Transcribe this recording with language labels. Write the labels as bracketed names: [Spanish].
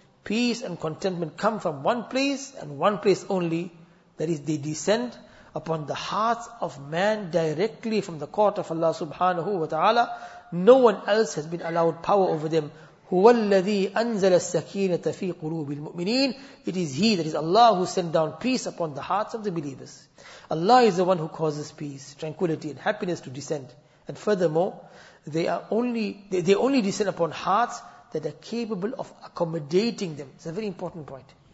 [English] Peace and contentment come from one place and one place only, that is, they descend upon the hearts of man directly from the court of Allah subhanahu wa ta'ala. No one else has been allowed power over them. [Arabic] هو الذي أنزل السكينة في قلوب المؤمنين. [English] It is He, that is Allah, who sent down peace upon the hearts of the believers. Allah is the one who causes peace, tranquility and happiness to descend. And furthermore, they only descend upon hearts that are capable of accommodating them. It's a very important point.